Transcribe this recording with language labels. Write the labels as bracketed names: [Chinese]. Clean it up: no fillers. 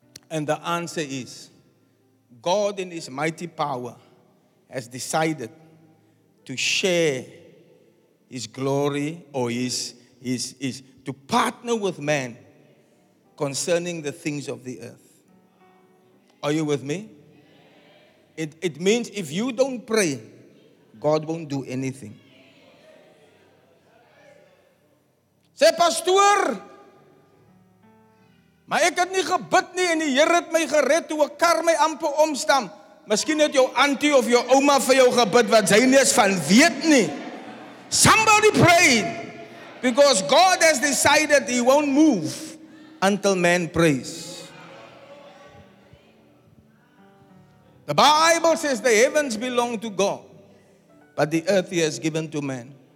[English] And the answer is, God in His mighty power has decided to share His glory or His to partner with man concerning the things of the earth. Are you with me? It means if you don't pray, God won't do anything. Say, Pastor, [Afrikaans] maar ek het nie gebid nie en die Here het my gered toe 'n kar my amper omstam. Miskien het jou auntie of jou ouma vir jou gebid wat jy nie eens van weet nie. [English] Somebody prayed. Because God has decided He won't move until man prays. The Bible says the heavens belong to God, but the earth He has given to man.